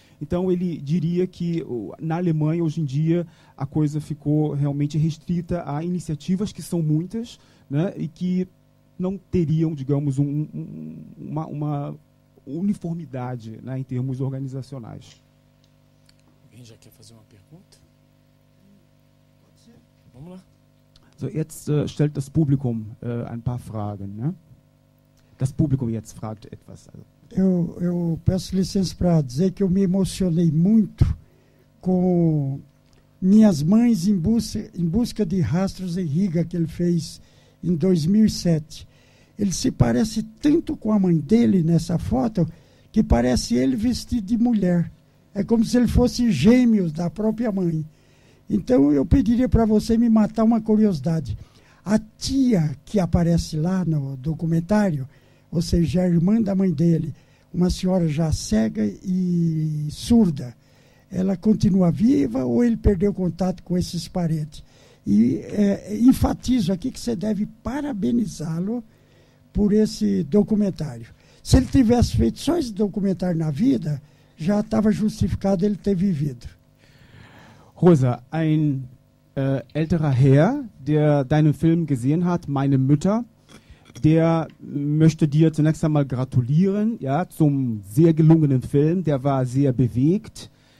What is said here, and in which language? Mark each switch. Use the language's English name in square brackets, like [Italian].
[Portuguese] Então, ele diria que na Alemanha, hoje em dia, a coisa ficou realmente restrita a iniciativas que são muitas, né, e que não teriam, digamos, uma uniformidade, né, em termos organizacionais. Alguém já quer fazer uma pergunta? Pode ser. Vamos lá. [German] So, jetzt stellt das Publikum ein paar Fragen. Ne? Das Publikum jetzt fragt etwas. Also. [Portuguese] Eu peço licença para dizer que eu me emocionei muito com Minhas Mães em busca de Rastros em Riga, que ele fez em 2007. Ele se parece tanto com a mãe dele nessa foto que parece ele vestido de mulher. É como se ele fosse gêmeos da própria mãe. Então, eu pediria para você me matar uma curiosidade. A tia que aparece lá no documentário, ou seja, a irmã da mãe dele, uma senhora já cega e surda, ela continua viva ou ele perdeu contato com esses parentes? E enfatizo aqui que você deve parabenizá-lo por esse documentário. Se ele tivesse feito só esse documentário na vida, já estava justificado ele ter vivido. [German] Rosa, ein älterer Herr, der deinen Film gesehen hat, Meine Mütter, der möchte dir zunächst einmal gratulieren, ja, zum sehr gelungenen Film, der war sehr bewegt.